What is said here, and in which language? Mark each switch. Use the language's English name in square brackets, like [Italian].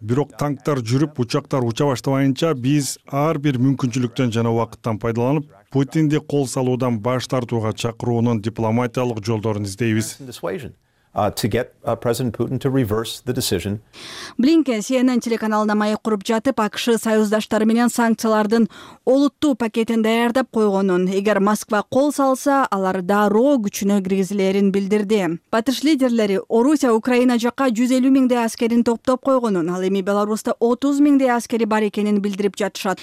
[Kyrgyz] Бирок танктар жүрүп, учактар уча баштабайынча биз ар бир мүмкүнчүлүктөн жана убакыттан пайдаланып, Путинди кол салуудан баш тартууга чакыруунун дипломатиялык жолдорун издейбиз. [English] To get President Putin to reverse the decision. [Kyrgyz] Блинкен CNN телеканалына маек куруп жатып, АКШ союздаштары менен санкциялардын олуттуу пакетин даярдап койгонун, эгер Москва кол салса, алар дароо күчүнө киргизилерин билдирди. Батыш лидерлери Орусия Украина жакка 150 миңдей аскерин топтоп койгонун, ал эми Беларусьта 30 миңдей аскери бар экенин билдирип жатышат.